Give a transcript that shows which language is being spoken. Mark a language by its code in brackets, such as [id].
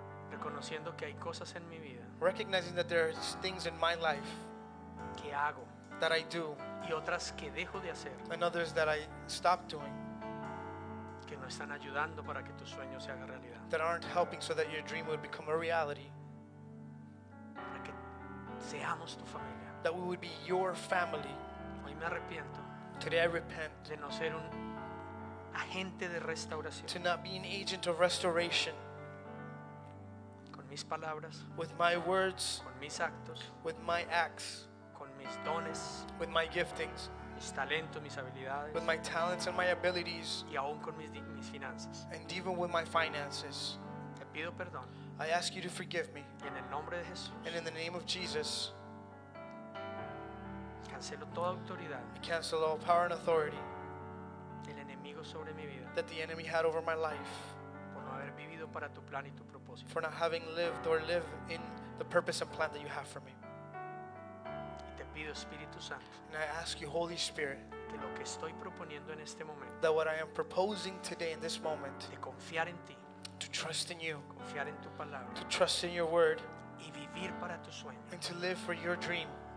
[es] Reconociendo que hay cosas en mi vida. [en] Recognizing that there are things in my life. [es] Que hago. [en] That I do. [es] Y otras que dejo de hacer. [en] And others that I stop doing. [es] Que no están ayudando para que tu sueño se haga realidad. [en] That aren't helping so that your dream would become a reality. [es] Para que seamos tu familia. [en] That we would be your family. [es] Hoy me arrepiento. [en] Today I repent. [es] De no ser un agente de restauración. [en] To not be an agent of restoration. [es] Con mis palabras. [en] With my words. [es] Con mis actos. [en] With my acts. [es] Con mis dones. [en] With my giftings. [es] Mis talentos, mis habilidades. [en] With my talents and my abilities. [es] Y aún con mis finanzas. [en] And even with my finances. [es] Te pido perdón. [en] I ask you to forgive me. [es] Y en el nombre de Jesús. [en] And in the name of Jesus. [es] Cancelo toda autoridad. [en] I cancel all power and authority. [es] El enemigo sobre mi vida. [en] That the enemy had over my life. [es] Por no haber vivido para tu plan y tu propósito. [en] For not having lived or live in the purpose and plan that you have for me. [es] Y te pido, Espíritu Santo. [en] And I ask you, Holy Spirit. [es] Que lo que estoy proponiendo en este momento. [en] That what I am proposing today in this moment. [es] De confiar en ti. [en] To trust in you. [es] Confiar en tu palabra. [en] To trust in your word. [es] Y vivir para tu sueño. [en] And to live for your dream.